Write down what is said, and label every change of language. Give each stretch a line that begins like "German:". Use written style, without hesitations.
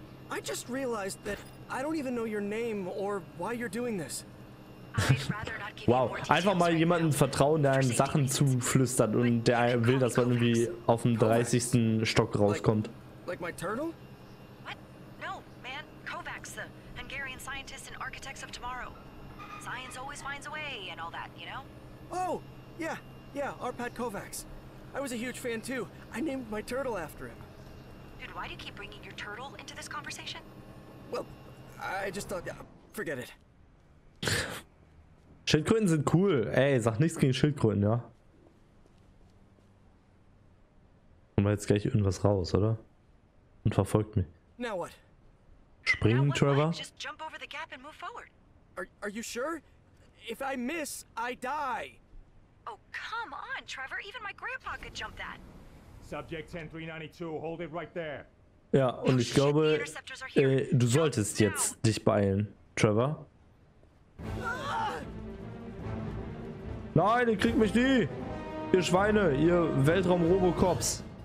English: I just realized that I don't even know your name or why you're doing this.
German: Wow, einfach mal jemanden vertrauen, der einem Sachen zuflüstert und der will, dass man irgendwie auf dem 30. Stock rauskommt.
English: Like my turtle? What? No, man, Kovacs, the Hungarian scientists and architects of tomorrow. Science always finds a way and all that, you know? Oh, yeah. Yeah, our pet Kovacs. I was a huge fan too. I named my turtle after him. Dude, why do you keep bringing your turtle into this conversation? Well, I just thought, forget it.
German: Schildkröten sind cool. Ey, sag nichts gegen Schildkröten, ja. Kommen wir jetzt gleich irgendwas raus, oder? Und verfolgt mich.
English: Now what?
German: Springen,
English: now what, Trevor? What? Just jump over the gap and move forward. Are you sure? If I miss, I die. Oh, come on, Trevor. Even my grandpa could jump that. Subject 10392, hold it right there.
German: Ja, und ich glaube, du solltest jetzt dich beeilen, Trevor. Nein, ihr kriegt mich nie! Ihr Schweine, ihr Weltraum-Robocops!